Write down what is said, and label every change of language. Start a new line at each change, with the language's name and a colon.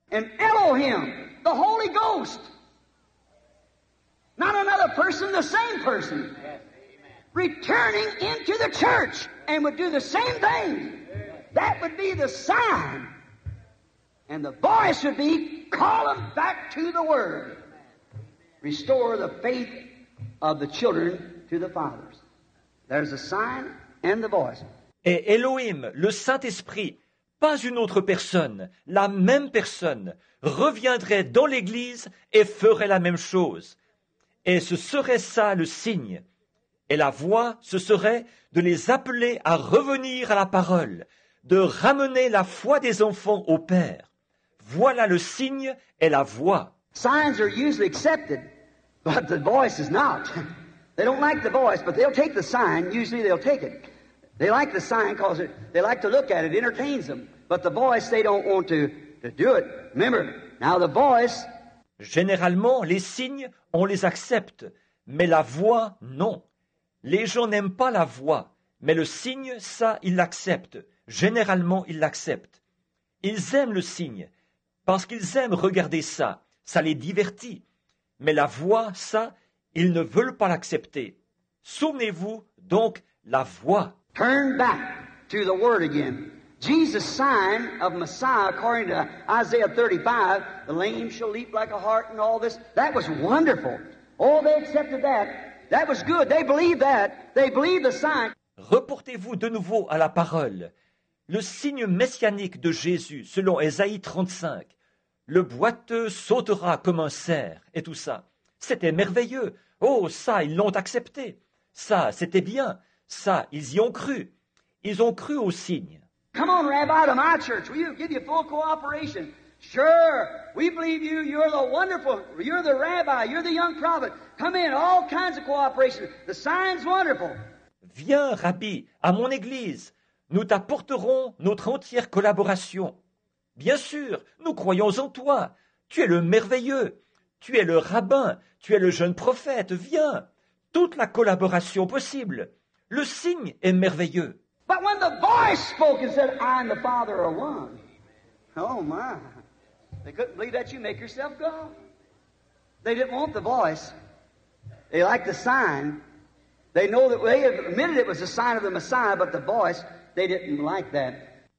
English: And Elohim, the Holy Ghost, not another person, the same person, returning into the church and would do the same thing. That would be the sign. And the voice would be, call them back to the word. Restore the faith of the children to the fathers. There's a sign and the voice.
French: Et Elohim, le Saint-Esprit, pas une autre personne, la même personne, reviendrait dans l'Église et ferait la même chose. Et ce serait ça le signe. Et la voie, ce serait de les appeler à revenir à la parole, de ramener la foi des enfants au Père. Voilà le signe et la voie.
English: Signs are usually accepted, but the voice is not. They don't like the voice, but they'll take the sign, usually they'll take it. They like the sign because they like to look at it, entertains them. But the voice, they don't want to do it. Remember, now the voice.
French: Généralement, les signes, on les accepte. Mais la voix, non. Les gens n'aiment pas la voix. Mais le signe, ça, ils l'acceptent. Généralement, ils l'acceptent. Ils aiment le signe. Parce qu'ils aiment regarder ça. Ça les divertit. Mais la voix, ça, ils ne veulent pas l'accepter. Souvenez-vous, donc, la voix.
English: Turn back to the word again. Jesus' sign of Messiah, according to Isaiah 35, the lame shall leap like a hart and all this. That was wonderful. Oh, they accepted that. That was good. They believed that. They believed the sign.
French: Reportez-vous de nouveau à la parole. Le signe messianique de Jésus, selon Esaïe 35. Le boiteux sautera comme un cerf et tout ça. C'était merveilleux. Oh, ça, ils l'ont accepté. Ça, c'était bien. Ça, ils y ont cru. Ils ont cru au signe.
English: Come on, Rabbi, to my church. We give you full cooperation. Sure, we believe you. You're the wonderful. You're the Rabbi. You're the young prophet. Come in, all kinds of cooperation. The sign's wonderful.
French: Viens, Rabbi, à mon église. Nous t'apporterons notre entière collaboration. Bien sûr, nous croyons en toi. Tu es le merveilleux. Tu es le rabbin. Tu es le jeune prophète. Viens, toute la collaboration possible. Le signe est merveilleux.
English: But when the voice spoke and said, I and the Father are one. Oh my. They couldn't believe that you make yourself God. They didn't want the voice. They liked the sign. They know that they admitted it was a sign of the Messiah, but the voice, they didn't like that.